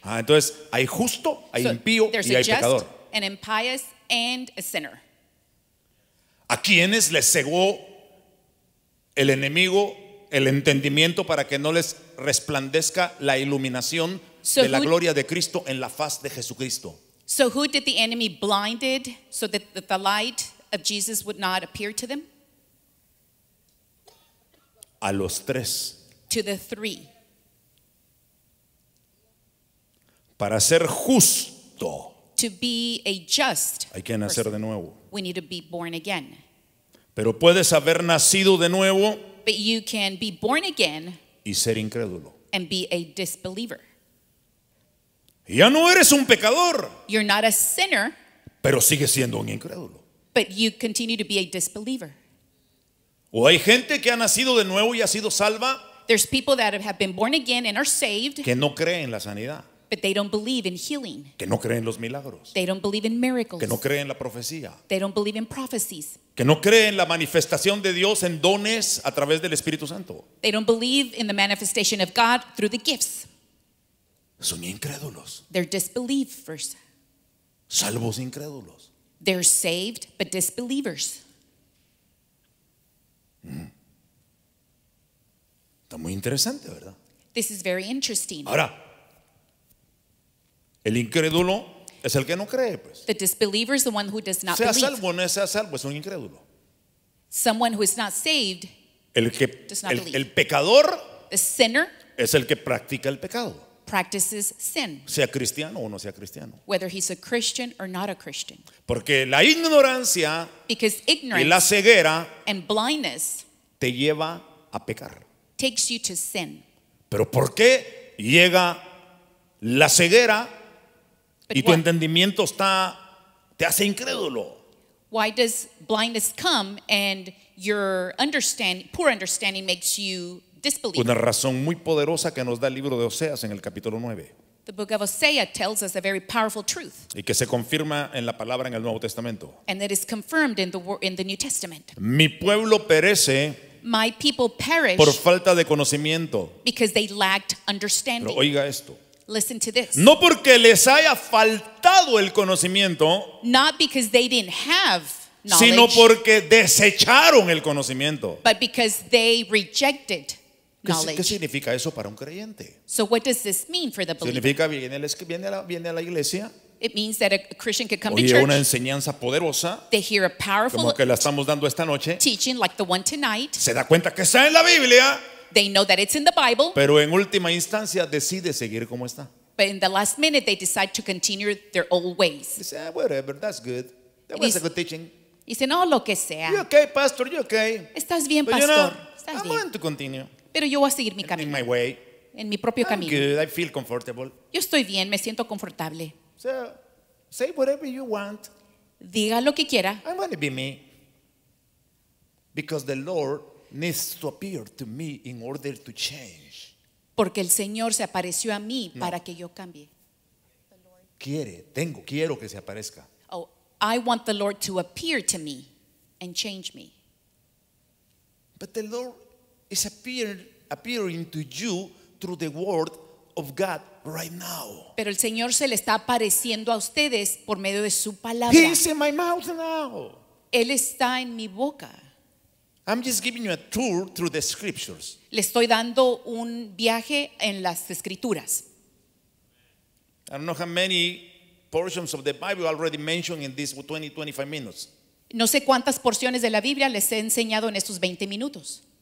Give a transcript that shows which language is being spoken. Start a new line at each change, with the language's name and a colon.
Spanish: Ah, entonces hay justo, hay impío,
English: so,
Spanish: y hay pecador,
English: an impious and a sinner.
Spanish: ¿A quiénes les cegó el enemigo el entendimiento para que no les resplandezca la iluminación
English: so
Spanish: de la gloria de Cristo en la faz de Jesucristo?
English: So who did the enemy blinded so that the light of Jesus would not appear to them?
Spanish: A los tres.
English: To the three.
Spanish: Para ser justo.
English: To be a just.
Spanish: Hay que nacer de nuevo.
English: We need to be born again.
Spanish: Pero puedes haber nacido de nuevo,
English: but you can be born again,
Spanish: y ser incrédulo,
English: and be a disbeliever.
Spanish: Ya no eres un pecador,
English: you're not a sinner,
Spanish: pero sigues siendo un incrédulo,
English: but you continue to be a disbeliever.
Spanish: O hay gente que ha nacido de nuevo y ha sido salva,
English: there's people that have been born again and are saved,
Spanish: que no creen en la sanidad,
English: but they don't believe in healing,
Spanish: que no creen los milagros,
English: they don't believe in miracles,
Spanish: que no creen la profecía,
English: they don't believe in prophecies,
Spanish: que no creen la manifestación de Dios en dones a través del Espíritu Santo,
English: they don't believe in the manifestation of God through the gifts.
Spanish: Son incrédulos,
English: they're disbelievers.
Spanish: Salvos incrédulos,
English: they're saved but disbelievers. Mm.
Spanish: Está muy interesante, ¿verdad?
English: This is very interesting.
Spanish: Ahora, el incrédulo es el que no cree, pues.
English: The disbeliever is the one who does not
Spanish: sea
English: believe.
Spanish: Salvo, no sea salvo, es un incrédulo.
English: Someone who is not saved.
Spanish: El que
English: does not believe.
Spanish: El pecador,
English: the sinner,
Spanish: es el que practica el pecado.
English: Practices sin.
Spanish: Sea cristiano o no sea cristiano.
English: Whether he's a Christian or not a Christian.
Spanish: Porque la ignorancia,
English: because ignorance,
Spanish: y la ceguera,
English: and blindness,
Spanish: te lleva a pecar.
English: Takes you to sin.
Spanish: Pero ¿por qué llega la ceguera?
English: But
Spanish: y tu entendimiento está, te hace incrédulo.
English: Why does blindness come and your understanding, poor understanding, makes you disbelieve?
Spanish: Una razón muy poderosa que nos da el libro de Oseas en el capítulo 9.
English: The book of Hosea tells us a very powerful truth.
Spanish: Y que se confirma en la palabra en el Nuevo Testamento.
English: And that is confirmed in the New Testament.
Spanish: Mi pueblo perece.
English: My people perish.
Spanish: Por falta de conocimiento.
English: Because they lacked understanding.
Spanish: Pero oiga esto.
English: Listen to this.
Spanish: No porque les haya faltado el conocimiento,
English: not because they didn't have knowledge,
Spanish: sino porque desecharon el conocimiento,
English: but because they rejected knowledge.
Spanish: ¿Qué significa eso para un creyente?
English: So what does this mean for the believer?
Spanish: Significa viene a la iglesia.
English: It means that a Christian could come
Spanish: oye,
English: to church.
Spanish: Una enseñanza poderosa.
English: They hear a powerful
Spanish: como que la estamos dando esta noche.
English: Teaching like the one tonight.
Spanish: Se da cuenta que está en la Biblia.
English: They know that it's in the Bible.
Spanish: Pero en última instancia decide seguir como está.
English: But in the last minute, they decide to continue their old ways. They say, whatever, that's good. That was a good teaching.
Spanish: Y dice, no, lo que sea.
English: You okay, pastor, you okay.
Spanish: Estás bien, pastor.
English: But you know,
Spanish: estás
English: I'm
Spanish: bien.
English: Going to continue.
Spanish: Pero yo voy a seguir mi camino.
English: In my way.
Spanish: En mi propio
English: I'm
Spanish: camino.
English: Good, I feel comfortable.
Spanish: Yo estoy bien, me siento confortable.
English: So, say whatever you want.
Spanish: Diga lo que quiera.
English: I'm going to be me. Because the Lord needs to appear to me in order to change.
Spanish: Porque el Señor se apareció a mí no. para que yo cambie. Quiere, tengo, quiero que se aparezca.
English: Oh, I want the Lord to appear to me and change me. But the Lord is appearing to you through the word of God right now.
Spanish: Pero el Señor se le está apareciendo a ustedes por medio de su palabra.
English: He is in my mouth now.
Spanish: Él está en mi boca.
English: I'm just giving you a tour through the scriptures.
Spanish: Le estoy dando un viaje en las escrituras.
English: I don't know how many portions of the Bible already mentioned in these 20-25 minutes.
Spanish: No sé cuántas porciones de la Biblia les he enseñado en estos 20 minutos.